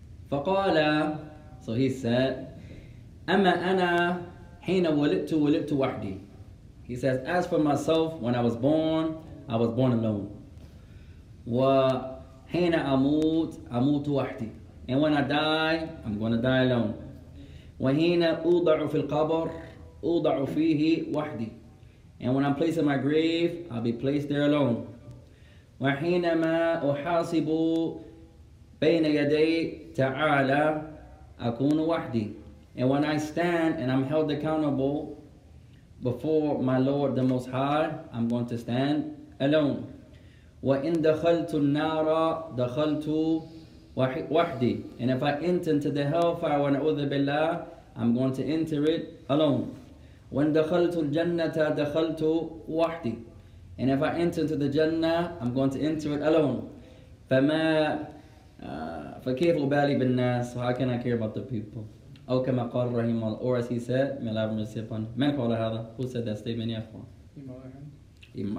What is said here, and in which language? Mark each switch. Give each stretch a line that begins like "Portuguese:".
Arabic: فقال,
English: so he said,
Arabic: أما أنا حين ولدت ولدت وحدي.
English: He says, as for myself, when I was born alone.
Arabic: وحين أموت, أموت وحدي.
English: And when I die, I'm going to die alone.
Arabic: وحين أوضع في القبر, أوضع فيه وحدي.
English: And when I'm placed in my grave, I'll be placed there alone.
Arabic: وحينما أحاسب بين يدي تعالى أكون وحدي.
English: And when I stand and I'm held accountable before my Lord the Most High, I'm going to stand alone.
Arabic: وإن دخلت النار دخلت وحدي.
English: And if I enter into the hellfire
Arabic: ونعوذ بالله,
English: I'm going to enter it alone. When
Arabic: دخلت الجنة دخلت وحدي
English: and if I enter into the Jannah I'm going to enter it alone
Arabic: فما فكيف أبالي بالناس
English: how can I care about the people
Arabic: أو كما قال رحمه الله
English: or as he said may Allah have mercy upon him
Arabic: من قال هذا
English: who said that statement
Arabic: يا أخوان إمام